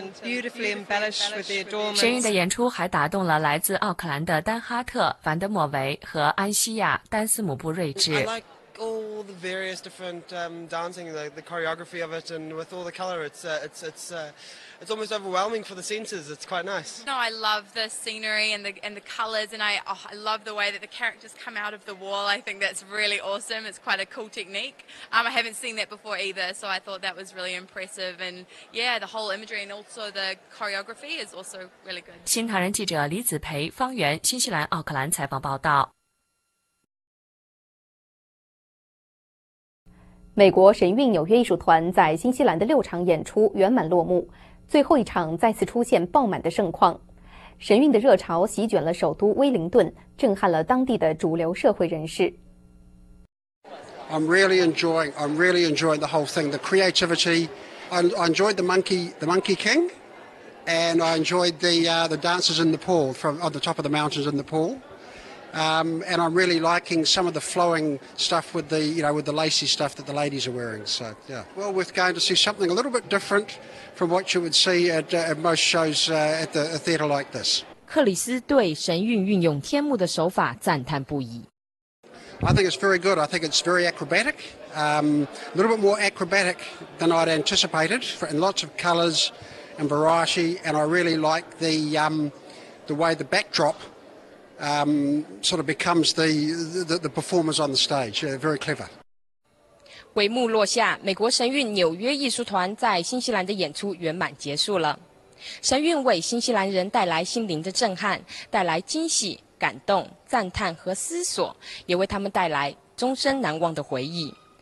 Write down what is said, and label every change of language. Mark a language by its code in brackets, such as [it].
[en] I thought the costumes were magnificent and beautifully embellished with the adornments. [zh] 神韵的演出还打动了来自奥克兰的丹哈特、凡德莫维和安西亚、丹斯姆布瑞治。 [en] I like all the various different dancing, the choreography of it, and with all the color, it's almost overwhelming for the senses. It's quite nice. No, I love the scenery and the colors, and I love the way that the characters come out of the wall. I think that's really awesome. It's quite a cool technique. I haven't seen that before either, so I thought that was really impressive. And yeah, the whole imagery and also the choreography is also really good. [zh] 新唐人记者李子培、方圆，新西兰奥克兰采访报道。美国神韵纽约艺术团在新西兰的六场演出圆满落幕，最后一场再次出现爆满的盛况。神韵的热潮席卷了首都威灵顿，震撼了当地的主流社会人士。 [en] I'm really enjoying the whole thing, the creativity. I enjoyed the monkey king, and I enjoyed the dancers in the pool from on the top of the mountains in the pool. And I'm really liking some of the flowing stuff with the, you know, with the lacy stuff that the ladies are wearing. So, yeah. Well worth going to see something a little bit different from what you would see at most shows at a theater like this. [zh] 克里斯对神韵运用天幕的手法赞叹不已。 [en] I think it's very good. I think it's very acrobatic. A little bit more acrobatic than I'd anticipated, and lots of colors and variety. And I really like the way the backdrop sort of becomes the performers on the stage. Very clever. [zh] 帷幕落下，美国神韵纽约艺术团在新西兰的演出圆满结束了。神韵为新西兰人带来心灵的震撼，带来惊喜、感动、赞叹和思索，也为他们带来终身难忘的回忆。